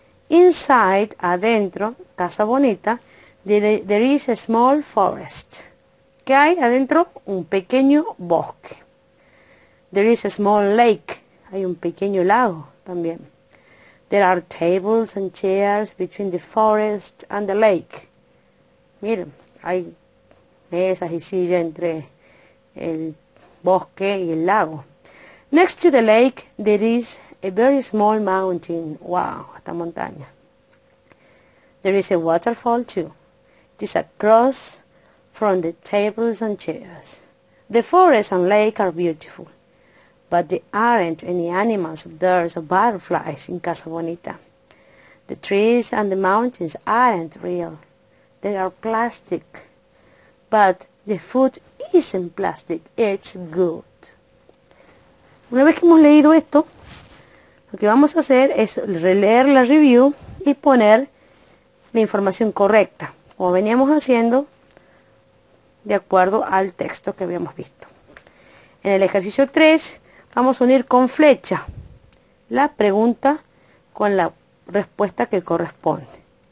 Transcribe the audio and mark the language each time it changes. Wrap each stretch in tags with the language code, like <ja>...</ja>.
<en>Inside, adentro, Casa Bonita, there is a small forest.</en> <es>¿Qué hay adentro? Un pequeño bosque.</es> <en>There is a small lake.</en> <es>Hay un pequeño lago también.</es> <en>There are tables and chairs between the forest and the lake.</en> <es>Miren, hay mesas y sillas entre el bosque y el lago.</es> <en>Next to the lake, there is a very small mountain.</en> <es>Wow, esta montaña.</es> <en>There is a waterfall too. It is across from the tables and chairs. The forest and lake are beautiful. But there aren't any animals, birds, or butterflies in Casa Bonita. The trees and the mountains aren't real. They are plastic, but the food isn't plastic, it's good.</en> <es>Una vez que hemos leído esto, lo que vamos a hacer es releer la review y poner la información correcta, como veníamos haciendo de acuerdo al texto que habíamos visto. En el ejercicio 3, vamos a unir con flecha la pregunta con la respuesta que corresponde.</es>